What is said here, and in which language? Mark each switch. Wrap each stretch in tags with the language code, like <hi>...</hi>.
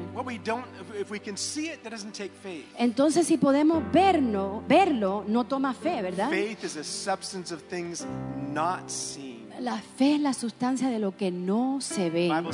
<en>What we don't, if we can see it, that doesn't take faith.</en> <es>Entonces, si podemos verlo, no toma fe, ¿verdad?</es> <en>Faith is a substance of things not seen.</en> <es>La fe es la sustancia de lo que no se ve.</es>